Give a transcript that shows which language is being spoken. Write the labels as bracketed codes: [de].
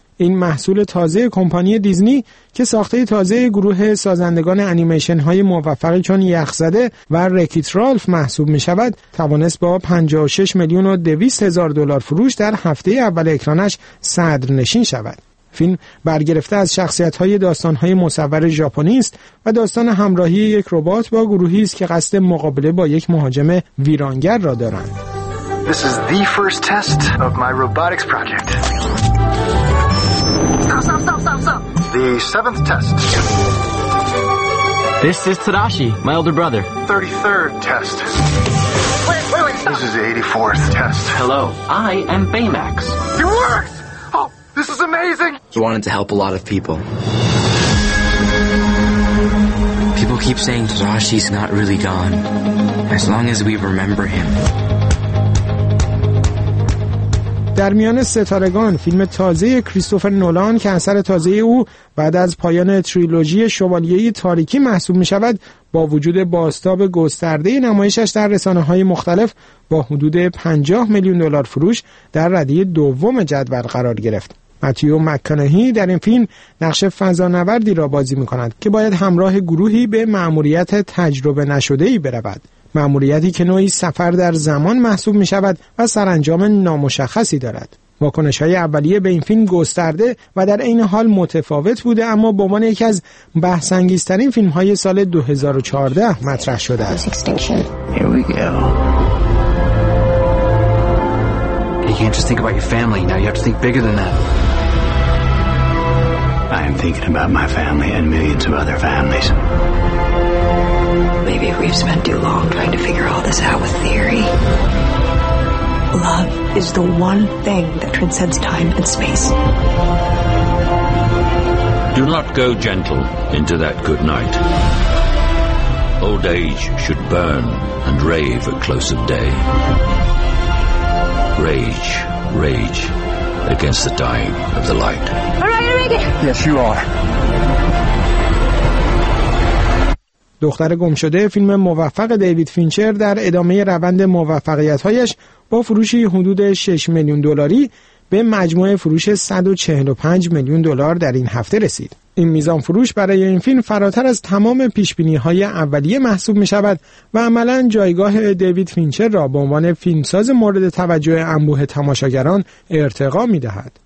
[fa] این محصول تازه کمپانی دیزنی که ساخته تازه گروه سازندگان انیمیشن‌های موفقی چون یخزده و رکیت رالف محسوب می‌شود، توانست با 56 میلیون و 200 هزار دلار فروش در هفته اول اکرانش صدرنشین شود. فیلم برگرفته از شخصیت‌های داستان‌های مصور ژاپنی است و داستان همراهی یک ربات با گروهی است که قصد مقابله با یک مهاجم ویرانگر را دارند. [en] This is the first test of my robotics project. Stop. The seventh test. This is Tadashi, my older brother. 33rd test. Wait, stop. This is the 84th test. Hello, I am Baymax. It works! This is amazing. He wanted to help a lot of people. People keep saying Tadashi's not really gone. As long as we remember him. [fa] در میان ستارگان فیلم تازه کریستوفر نولان که اثر تازه او بعد از پایان تریلوژی شوالیه تاریکی محسوب می شود، با وجود بازتاب گسترده نمایشش در رسانه های مختلف با حدود 50 میلیون دلار فروش در رده دوم جدول قرار گرفت. متیو مکانهی در این فیلم نقش فضانوردی را بازی می کند که باید همراه گروهی به مأموریت تجربه نشده‌ای برود. مأموریتی که نوعی سفر در زمان محسوب می شود و سرانجام نامشخصی دارد. واکنش های اولیه به این فیلم گسترده و در این حال متفاوت بوده، اما به عنوان یکی از بحث انگیزترین فیلم های سال 2014 مطرح شده است. [en] You can't just think about your family. Now you have to think bigger than that. I am thinking about my family and millions of other families. Maybe we've spent too long trying to figure all this out with theory. Love is the one thing that transcends time and space. Do not go gentle into that good night. Old age should burn and rave at close of day. Rage against the dying of the light. All right, Reagan. Yes, you are. [fa] دختر گمشده فیلم موفق دیوید فینچر در ادامه روند موفقیت‌هایش با فروشی حدود 6 میلیون دلاری به مجموع فروش 145 میلیون دلار در این هفته رسید. این میزان فروش برای این فیلم فراتر از تمام پیشبینی‌های اولیه محسوب می‌شود و عملاً جایگاه دیوید فینچر را به عنوان فیلمساز مورد توجه انبوه تماشاگران ارتقا می‌دهد.